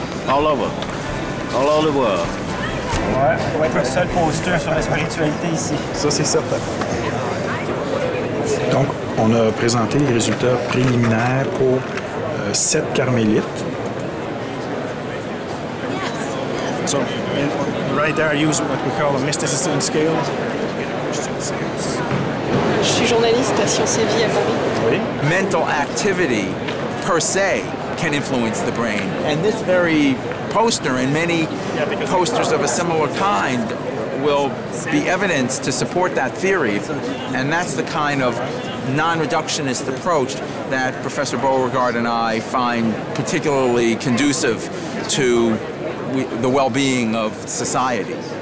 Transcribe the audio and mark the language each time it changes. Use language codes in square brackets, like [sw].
[en] All over the world. [fr] Ouais, on va être le seul poster sur la spiritualité ici. Ça, c'est certain. Donc, on a présenté les résultats préliminaires pour 7 carmélites. [en] So, right there, I use what we call a mysticism scale. [fr] Je suis journaliste à Science et Vie à Paris. Oui. [en] Mental activity, per se, can influence the brain. And this very poster and many posters of a similar kind will be evidence to support that theory. And that's the kind of non-reductionist approach that Professor Beauregard and I find particularly conducive to the well-being of society.